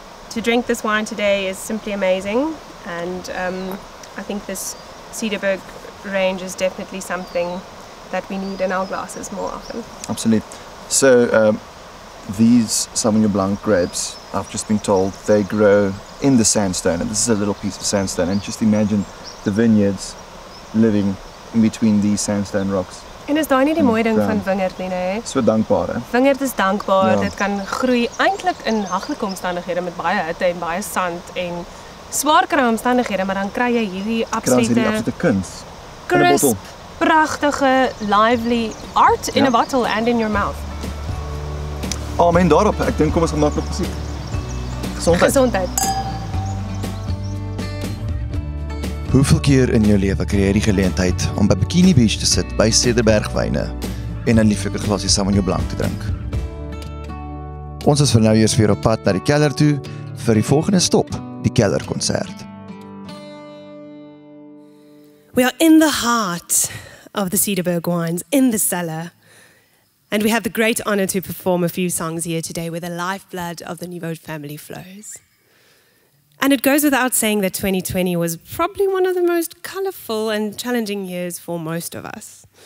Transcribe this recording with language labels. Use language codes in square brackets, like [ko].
[en] To drink this wine today is simply amazing. And I think this Cederberg range is definitely something that we need in our glasses more often. Absolutely. So these Sauvignon Blanc grapes, I've just been told, they grow in the sandstone, and this is a little piece of sandstone, and just imagine the vineyards living in between these sandstone rocks. [af] En is daar nie die mooie ding van wingerd nie, nee? So dankbaar, hè? Wingerd is dankbaar, dit kan groei eintlik in haglike omstandighede met baie hitte en baie sand en swaarkry omstandighede, maar dan kry jy hierdie absolute kunst. [en] Crisp, [af] pragtige, [en] lively art in a bottle and in your mouth. [af] Amen daarop. Ek dink kom ons gaan maak op musiek. Gesondheid. Hoeveel keer in jou lewe kry jy die geleentheid om by Bikini Beach te sit by Cederberg wyne en 'n lieflike glasie Sauvignon Blanc te drink? Ons is vir nou eers weer op pad na die keller toe vir die volgende stop, die kelderkonsert. [en] We are in the heart of the Cedarburg Wines, in the cellar. And we have the great honor to perform a few songs here today where the lifeblood of the Nouveau family flows. And it goes without saying that 2020 was probably one of the most colorful and challenging years for most of us.